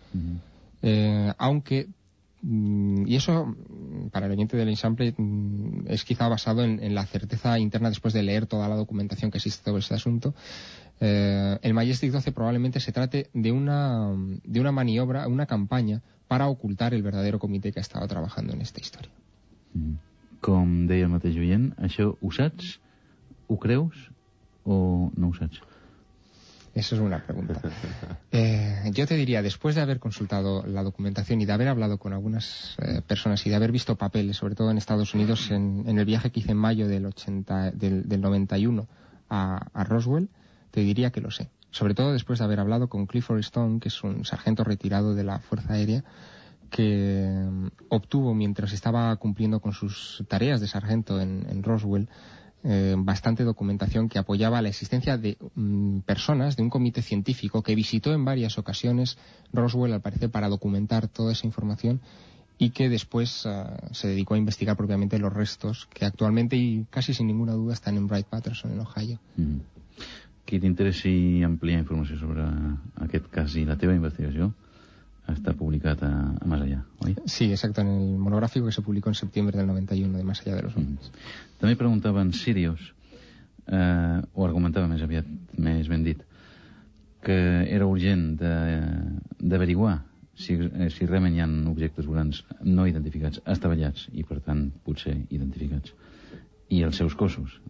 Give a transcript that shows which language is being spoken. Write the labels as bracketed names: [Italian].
[Spanish] Uh-huh. Aunque, y eso para el oyente del ensamble es quizá basado en la certeza interna después de leer toda la documentación que existe sobre ese asunto, el Majestic 12 probablemente se trate de una maniobra, una campaña para ocultar el verdadero comité que ha estado trabajando en esta historia. [Catalan] Com deia el mateix oient, això ho saps, ho creus o no ho saps? [Spanish] Esa es una pregunta. Yo te diría, después de haber consultado la documentación y de haber hablado con algunas personas y de haber visto papeles, sobre todo en Estados Unidos, en el viaje que hice en mayo del 91 a Roswell, te diría que lo sé. Sobre todo después de haber hablado con Clifford Stone, que es un sargento retirado de la Fuerza Aérea, que obtuvo, mientras estaba cumpliendo con sus tareas de sargento en Roswell, bastante documentación que apoyaba la existencia de personas de un comité científico que visitó en varias ocasiones Roswell, al parecer, para documentar toda esa información, y que después se dedicó a investigar propiamente los restos que actualmente y casi sin ninguna duda están en Wright-Patterson, en Ohio. [Catalan] Qui t'interessi ampliar informació sobre aquest cas i la teva investigació està publicat a Más Allá, oi? Sí, exacte, [Spanish] en el monogràfico que se publicó en septiembre del 91 de Más Allá de los Hombres. [Catalan] També preguntava en Sirius, o argumentava més aviat, més ben dit, que era urgent d'averiguar si realment hi ha objectes volants no identificats, estavellats i, per tant, potser identificats, i els seus cossos.